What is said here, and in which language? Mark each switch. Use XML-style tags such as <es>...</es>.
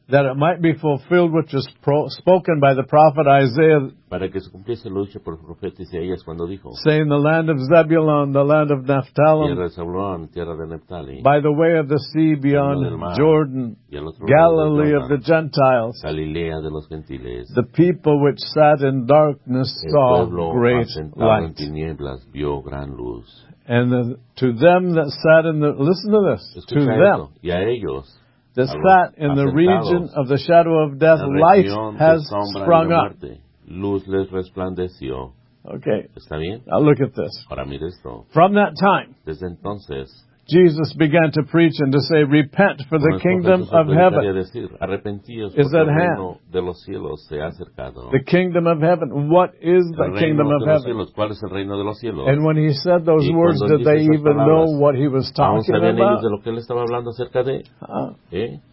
<en>That it might be fulfilled which was spoken by the prophet Isaiah.</en> <es>Para que se cumpliese lo dicho por el profeta Isaías cuando dijo.</es> <en>Saying the land of Zebulun, the land of Naphtali.</en> <es>Tierra de Zabulón, tierra de Naphtali.</es> <en>By the way of the sea beyond Jordan.</en> <es>Y al otro lado</es> <en>Galilee of the Gentiles.</en> <es>Galilea de los gentiles.</es> <en>The people which sat in darkness. Saw great light.</en> <es>En tinieblas, vio gran luz.</es> <en>And the, to them that sat in the, listen to this,</en> <es>escucha</es> <en>to them</en> <es>y a ellos,</es> <en>that sat in the region of the shadow of death, light has sprung up.</en> <es>Luz les resplandeció.</es> <en>Okay.</en> <es>¿Está bien?</es> <en>Now look at this.</en> <es>Ahora mire esto.</es> <en>From that time,</en> <es>desde entonces,</es> <en>Jesus began to preach and to say, repent, for the kingdom of heaven is at hand. The kingdom of heaven. What is the kingdom of heaven?</en> <es>¿Cuál es el reino de los cielos?</es> <en>And when he said those words, did they even know what he was talking about?</en> <es>¿Sabían ellos de lo que él estaba hablando acerca de?</es>